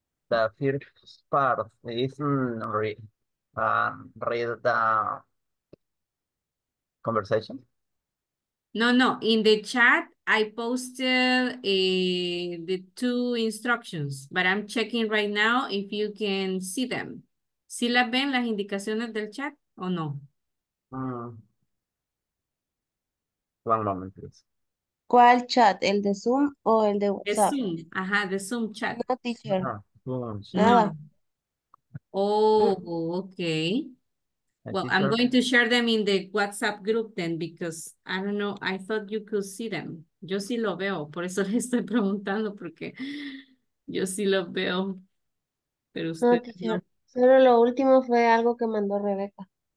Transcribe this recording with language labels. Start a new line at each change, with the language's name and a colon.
English: The first part isn't read the conversation. No, no. In the chat, I posted the two instructions, but I'm checking right now if you can see them.
Spanish: ¿Sí las ven las indicaciones del chat o no?
English: One moment, please.
Spanish: ¿Cuál chat? ¿El de Zoom o el de WhatsApp? De Zoom. Ajá, de Zoom chat.
English: No, teacher. No. Oh, okay. Well, I'm going to share them in the WhatsApp group then, because I don't know, I thought you could see them.
Spanish: Yo sí lo veo, por eso le estoy preguntando, porque yo sí lo veo. Pero usted no. Solo lo último fue algo que mandó Rebeca.